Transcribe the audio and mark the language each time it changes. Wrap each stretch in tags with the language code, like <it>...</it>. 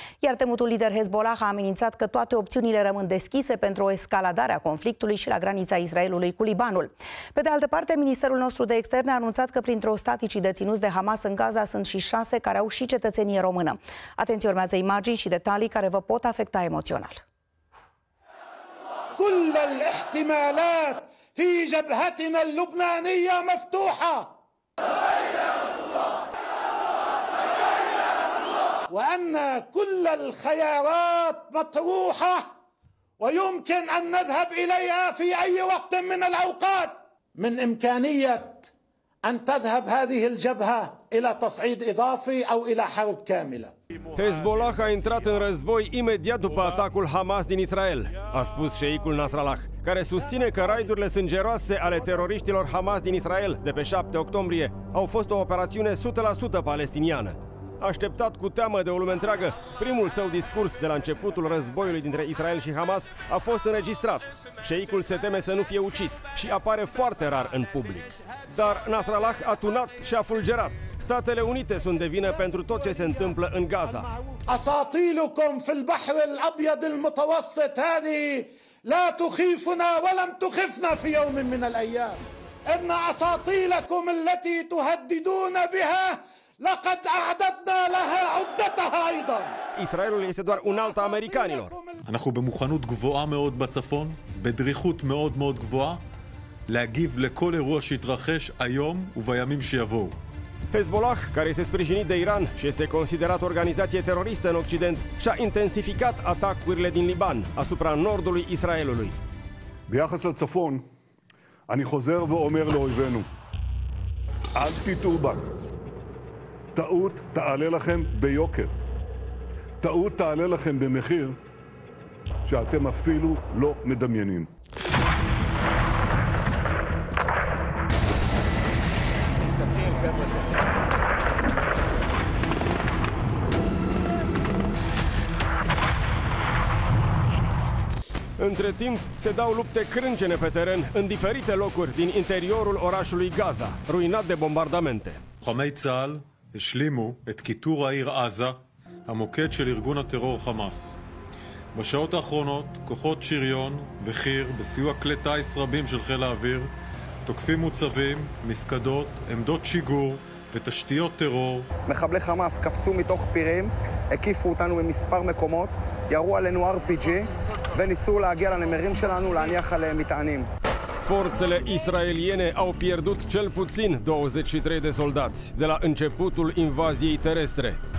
<ro>Iar temutul lider Hezbollah a amenințat că toate opțiunile rămân deschise pentru o escaladare a conflictului și la granița Israelului cu Libanul. Pe de altă parte, ministerul nostru de externe a anunțat că printre ostaticii deținuți de Hamas în Gaza sunt și șase care au și cetățenie română. Atenție, urmează imagini și detalii care vă pot afecta emoțional.</ro> <ar>كل الاحتمالات في جبهتنا اللبنانية مفتوحة وأن كل الخيارات مطروحة ويمكن أن نذهب إليها في أي وقت من الأوقات من إمكانية أن تذهب هذه الجبهة إلى تصعيد إضافي أو إلى حرب كاملة.</ar> <ro>Hezbollah a intrat în război imediat după atacul Hamas din Israel, a spus șeicul Nasrallah, care susține că raidurile sângeroase ale teroriștilor Hamas din Israel de pe 7 octombrie au fost o operațiune 100% palestiniană. Așteptat cu teamă de o lume întreagă, primul său discurs de la începutul războiului dintre Israel și Hamas a fost înregistrat. Șeicul se teme să nu fie ucis și apare foarte rar în public. Dar Nasrallah a tunat și a fulgerat. Statele Unite sunt de vină pentru tot ce se întâmplă în Gaza.</ro> <ar>Asatilukum fil bahr al abyad al mutawassit hadi la tukhifuna wa lam tukhifna fi yawm min al ayyam. In asatilukum allati tuhaddiduna biha لقد اعددنا لها عدتها ايضا.</ar> <ro>Israelul este doar un alt americanilor.</ro> <he>אנחנו במוכנות גבוהה מאוד בצפון, בדריכות מאוד מאוד גבוהה, להגיב לכל אירוע שיתרחש היום ובימים שיבואו.</he> <ro>Hezbollah, care este sprijinit de Iran și este considerat organizație teroristă în Occident, și-a intensificat atacurile din Liban asupra nordului Israelului.</ro> <he>ביחס לצפון, אני חוזר ואומר לאויבינו, אל תתעובד. טעות תעלה לכם ביוקר. טעות תעלה לכם במחיר שאתם אפילו לא מדמיינים.</he> <ro>Între timp, se dau lupte crâncene pe teren în diferite locuri din interiorul orașului Gaza, ruinat de bombardamente.</ro> <he>Hometzal השלימו את כיתור העיר עזה, המוקד של ארגון הטרור חמאס. בשעות האחרונות, כוחות שריון וחיר, בסיוע כלי טייס רבים של חיל האוויר, תוקפים מוצבים, מפקדות, עמדות שיגור ותשתיות טרור. מחבלי חמאס קפצו מתוך פירים, הקיפו אותנו במספר מקומות, ירו עלינו RPG וניסו להגיע לנמרים שלנו להניח עליהם מטענים.</he> <ro>Forțele israeliene au pierdut cel puțin 23 de soldați de la începutul invaziei terestre.</ro>